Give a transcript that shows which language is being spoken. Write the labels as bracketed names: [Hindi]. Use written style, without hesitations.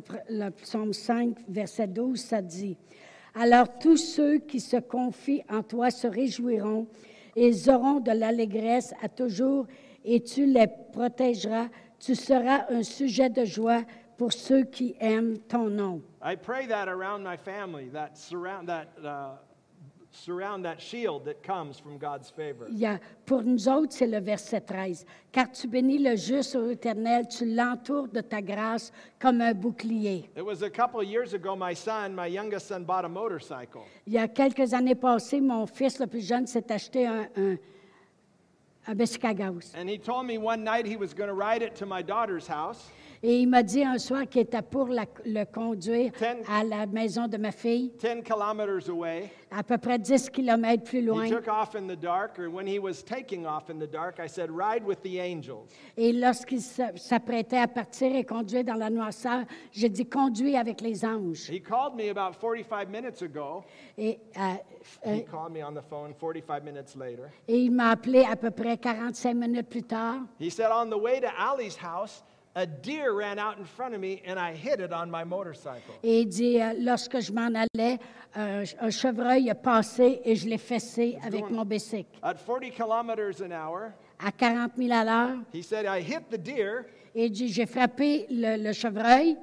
[French] Le psaume 5, verset 12, ça dit, « Alors tous ceux qui se confient en toi se réjouiront, ils auront de l'allégresse à toujours, et tu les protégeras, tu seras un sujet de joie pour ceux qui aiment ton nom. » [English] I pray that around my family, that surround that surround that shield that comes from God's favor. [French] Yeah, pour nous autres, c'est le verset 13. Car tu bénis le juste au Éternel, tu l'entoures de ta grâce comme un bouclier. [English] It was a couple of years ago, my youngest son, bought a motorcycle. [French] Il y a quelques années passées, mon fils le plus jeune s'est acheté un bicycle à gaz. [English] And he told me one night he was going to ride it to my daughter's house. [French] Et il m'a dit un soir qu'il était pour le conduire à la maison de ma fille, [English] 10 kilometers away, [French] à peu près 10 kilomètres plus loin. [English] He took off in the dark, or when he was taking off in the dark, I said, ride with the angels. [French] Et lorsqu'il s'apprêtait à partir et conduire dans la noirceur, j'ai dit, conduis avec les anges. [English] He called me about 45 minutes ago. [French] Et, [English] he called me on the phone 45 minutes later. [French] Et il m'a appelé à peu près 45 minutes plus tard. [English] He said, on the way to Ali's house, a deer ran out in front of me, and I hit it on my motorcycle. [French] Et il dit, lorsque je m'en allais, un chevreuil a passé et je l'ai fessé avec mon bicycle. [English] At 40 kilometers an hour. [French] À 40 miles à l'heure. [English] He said, I hit the deer. [French] Et il dit, j'ai frappé le chevreuil.